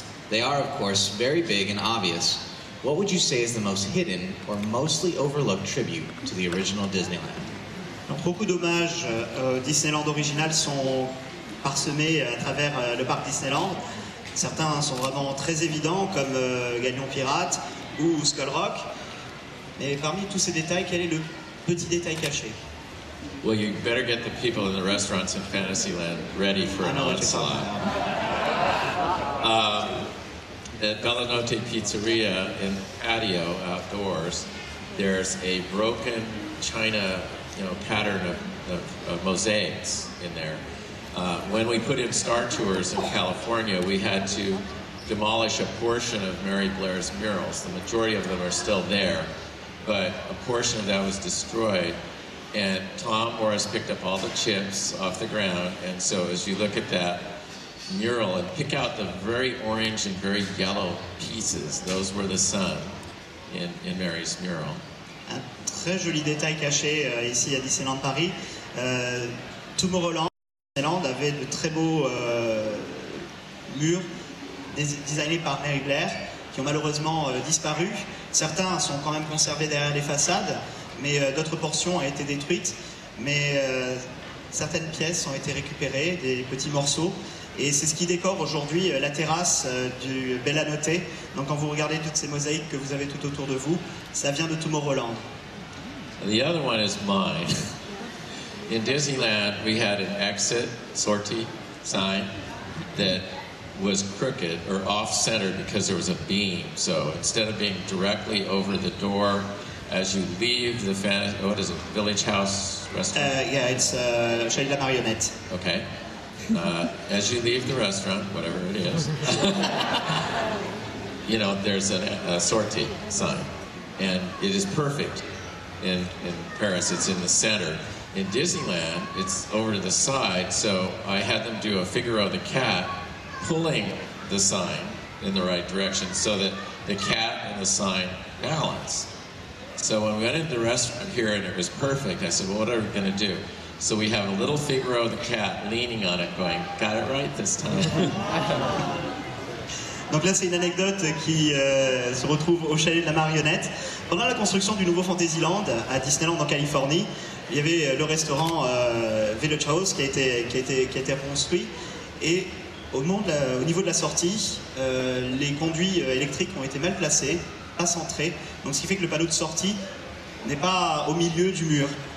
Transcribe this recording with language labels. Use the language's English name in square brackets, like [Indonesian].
[English] They are, of course, very big and obvious. What would you say is the most hidden or mostly overlooked tribute to the original Disneyland? [French] Donc, beaucoup d'hommages Disneyland original sont parsemés à travers le parc Disneyland. Certains sont vraiment très évidents, comme Galion Pirate ou Skull Rock. Mais parmi tous ces détails, quel est le petit détail caché? [English] Well, you better get the people in the restaurants in Fantasyland ready for an onslaught. At Bella Notte Pizzeria in the patio outdoors, there's a broken china, you know, pattern of mosaics in there. When we put in Star Tours in California, we had to demolish a portion of Mary Blair's murals. The majority of them are still there, but a portion of that was destroyed. And Tom Morris picked up all the chips off the ground. And so as you look at that mural and pick out the very orange and very yellow pieces, those were the sun in Mary's mural. [French] Un très joli détail caché ici à Disneyland Paris. Tomorrowland, Disneyland avait de très beaux murs designés par Mary Blair qui ont malheureusement disparu. Certains sont quand même conservés derrière les façades. Mais d'autres portions ont été détruites, mais certaines pièces ont été récupérées, des petits morceaux, et c'est ce qui décore aujourd'hui la terrasse du Bella Notte. Donc quand vous regardez toutes ces mosaïques que vous avez tout autour de vous, ça vient de Tomorrowland. [English] The other one is mine. In Disneyland, we had an exit sortie sign that was crooked or off-center because there was a beam. So instead of being directly over the door, as you leave the Village House restaurant? It's Chez de la Marionnette. Okay. as you leave the restaurant, whatever it is, you know, there's a sortie sign. And it is perfect in Paris. It's in the center. In Disneyland, it's over to the side, so I had them do a Figaro the cat pulling the sign in the right direction so that the cat and the sign balance. So when we went into the restaurant here and it was perfect, I said, well, what are we going to do? So we have a little Figaro the cat leaning on it going, got it right this time. [French] Donc là, c'est une anecdote qui se retrouve au chalet de la marionnette. Pendant la construction du nouveau Fantasyland à Disneyland en Californie, il y avait le restaurant Village House qui a été construit. Et au niveau de la sortie, les conduits électriques ont été mal placés, pas centré, donc ce qui fait que le panneau de sortie n'est pas au milieu du mur.